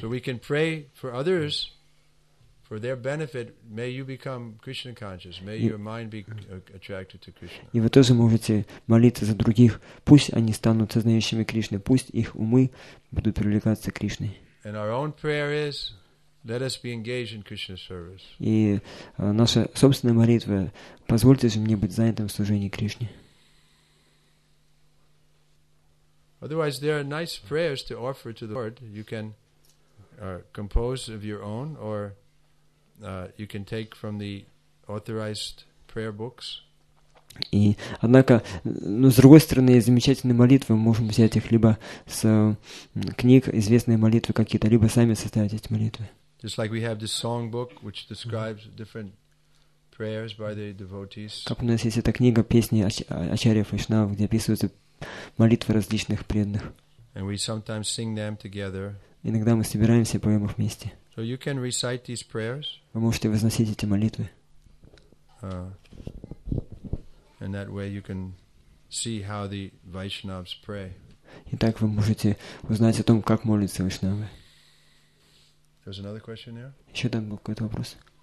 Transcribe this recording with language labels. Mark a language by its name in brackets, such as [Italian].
[English] So we can pray for others. For their benefit, may you become Krishna conscious. May your mind be attracted to Krishna. [Russian] И вы тоже можете молиться за других. Пусть они станут сознающими Кришны. Пусть их умы будут привлекаться к Кришне. [English] And our own prayer is, let us be engaged in Krishna's service. [Russian] И наша собственная молитва: позвольте же мне быть занятым в служении Кришне. [English] Otherwise, there are nice prayers to offer to the Lord. You can compose of your own or you can take from the authorized prayer books. [Russian] И однако, но с другой стороны, замечательные молитвы мы можем взять их либо с книг, известные молитвы какие-то, либо сами составить эти молитвы. [English] Just like we have this song book, which describes different prayers by the devotees. [Russian] Как у нас есть эта книга песни Ачарьев Вайшнав, где описываются молитвы различных преданных. [English] And we sometimes sing them together. [Russian] Иногда мы собираемся и поем их вместе. [English] So you can recite these prayers. [Russian] Вы можете возносить эти молитвы. [English] And that way you can see how the Vaishnavas pray. [Russian] И так вы можете узнать о том, как молятся вайшнавы. [English] There's another question there. [Russian] Еще там был какой-то вопрос.